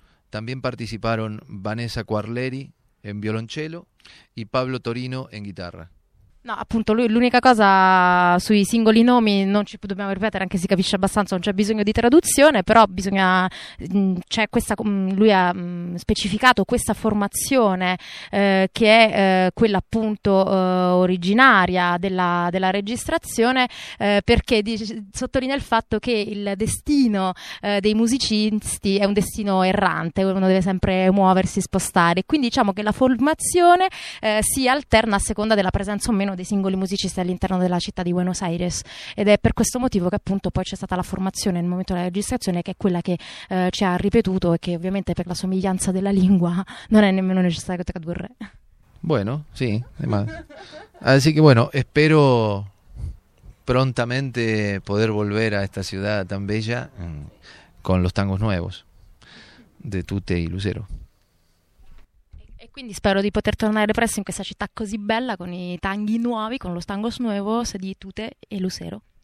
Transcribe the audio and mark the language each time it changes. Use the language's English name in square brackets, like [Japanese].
[Spanish] También participaron Vanessa Quarleri en violonchelo y Pablo Torino en guitarra. [Italian] No, appunto, lui, l'unica cosa sui singoli nomi, non ci dobbiamo ripetere, anche si capisce abbastanza, non c'è bisogno di traduzione, però bisogna c'è questa, lui ha specificato questa formazione che è quella appunto originaria della registrazione, perché sottolinea il fatto che il destino dei musicisti è un destino errante, uno deve sempre muoversi, spostare, quindi diciamo che la formazione si alterna a seconda della presenza o meno dei singoli musicisti all'interno della città di Buenos Aires, ed è per questo motivo che appunto poi c'è stata la formazione nel momento della registrazione, che è quella che ci ha ripetuto e che ovviamente per la somiglianza della lingua non è nemmeno necessario tradurre. [Spanish] Bueno, sì, así que bueno, espero prontamente poter volver a esta ciudad tan bella con los tangos nuevos de Tute y Lucero. [Italian] Quindi spero di poter tornare presto in questa città così bella con i tanghi nuovi, [Spanish] con los tangos nuevos [Italian] di Tute e Lucero.